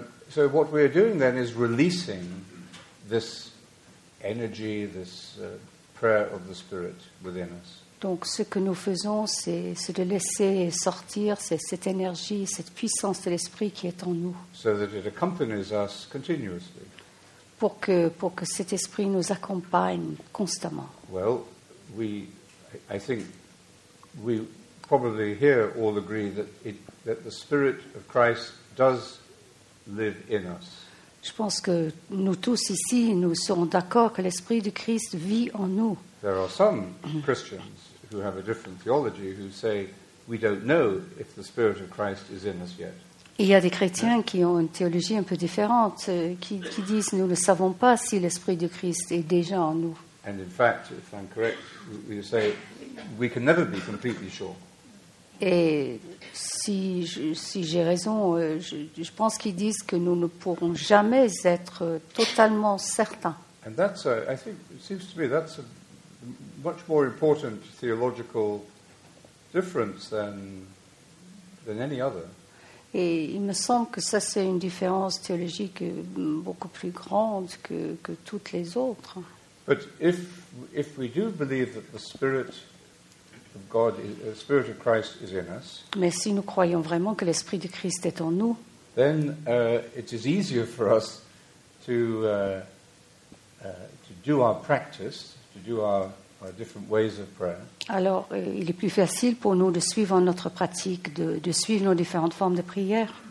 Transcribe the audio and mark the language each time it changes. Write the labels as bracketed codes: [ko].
[en] So what we are doing then is releasing this energy, this prayer of the Spirit within us. [fr] Donc ce que nous faisons, c'est de laisser sortir cette énergie, cette puissance de l'Esprit qui est en nous. [en] So that it accompanies us continuously. [fr] Pour que cet esprit nous accompagne constamment. [en] Well, I think we probably here all agree that the Spirit of Christ does live in us. [fr] Je pense que nous tous ici, nous serons d'accord que l'Esprit de Christ vit en nous. [en] There are some Christians who have a different theology who say we don't know if the Spirit of Christ is in us yet. [fr] Il y a des chrétiens qui ont une théologie un peu différente, qui disent nous ne savons pas si l'Esprit de Christ est déjà en nous. [en] And in fact, if I'm correct, we say we can never be completely sure. [fr] Et si j'ai raison, je pense qu'ils disent que nous ne pourrons jamais être totalement certains. [en] And that's I think it seems to me that's a much more important theological difference than any other. [fr] Et il me semble que ça, c'est une différence théologique beaucoup plus grande que toutes les autres. [en] But if we do believe that the Spirit of God, the Spirit of Christ is in us. [fr] Mais si nous croyons vraiment que l'Esprit de Christ est en nous, [en] then it is easier for us to do our practice, to do our different ways of prayer. [fr] Alors, il est plus facile pour nous de suivre notre pratique, de suivre nos différentes formes de prière.